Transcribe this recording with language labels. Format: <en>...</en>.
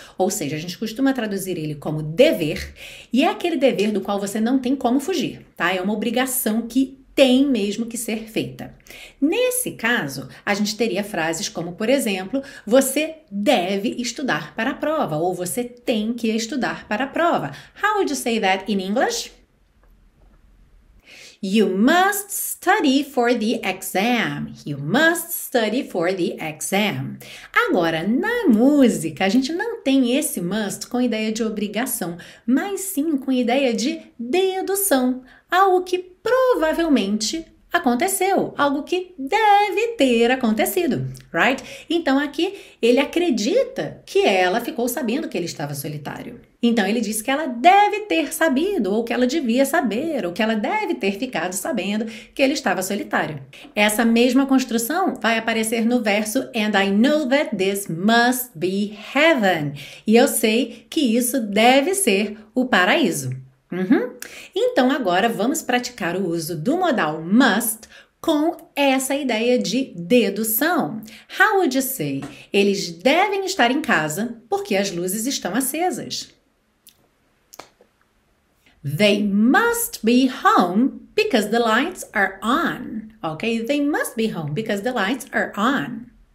<pt>Ou seja, a gente costuma traduzir ele como dever, e é aquele dever do qual você não tem como fugir, tá? É uma obrigação que tem mesmo que ser feita. Nesse caso, a gente teria frases como, por exemplo, você deve estudar para a prova, ou você tem que estudar para a prova.</pt> <en>How would you say that in English? You must study for the exam. You must study for the exam.</en> <pt>Agora, na música, a gente não tem esse must com ideia de obrigação, mas sim com ideia de dedução. Algo que provavelmente aconteceu, algo que deve ter acontecido, right? Então aqui ele acredita que ela ficou sabendo que ele estava solitário. Então ele diz que ela deve ter sabido, ou que ela devia saber, ou que ela deve ter ficado sabendo que ele estava solitário. Essa mesma construção vai aparecer no verso</pt> <en>"And I know that this must be heaven."</en> <pt>E eu sei que isso deve ser o paraíso. Uhum. Então agora vamos praticar o uso do modal must com essa ideia de dedução.</pt> <en>How would you say?</en> <pt>Eles devem estar em casa porque as luzes estão acesas.</pt> <en>They must be home because the lights are on. Okay? They must be home because the lights are on.</en>